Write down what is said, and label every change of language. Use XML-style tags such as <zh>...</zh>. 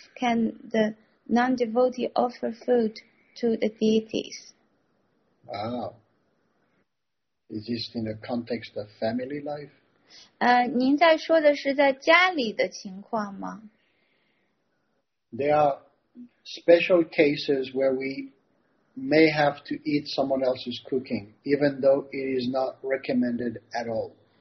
<en>Can the non-devotee offer food to the deities? Wow. Is this in the context of family life?</en> <zh>您在说的是在家里的情况吗?</zh> <en>There are special cases where we may have to eat someone else's cooking, even though it is not recommended at all.</en>